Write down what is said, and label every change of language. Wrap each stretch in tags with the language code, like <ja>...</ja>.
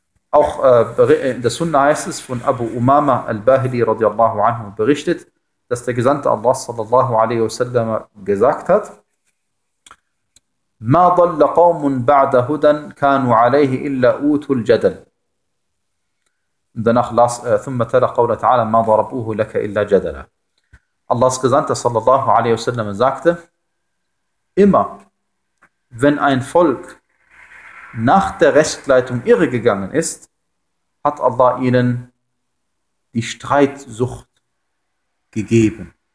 <de>Auch in der Sunna heißt es, von Abu Umama al-Bahili radiallahu anhu berichtet, dass der Gesandte Allah sallallahu alaihi wasallam gesagt hat,</de> <ar>مَا ضَلَّ قَوْمٌ بَعْدَ هُدًا كَانُوا عَلَيْهِ إِلَّا أُوتُوا الْجَدَلِ.</ar> <de>Danach las,</de> <ar>ثُمَّ تَلَى قَوْلَ تَعَالَى مَا ضَرَبُوهُ لَكَ إِلَّا جَدَلَ.</ar> <de>Allahs Gesandte sallallahu alaihi wasallam sagte, immer wenn ein Volk nach der Rechtleitung irregegangen ist, hat Allah ihnen die Streitsucht gegeben.</de>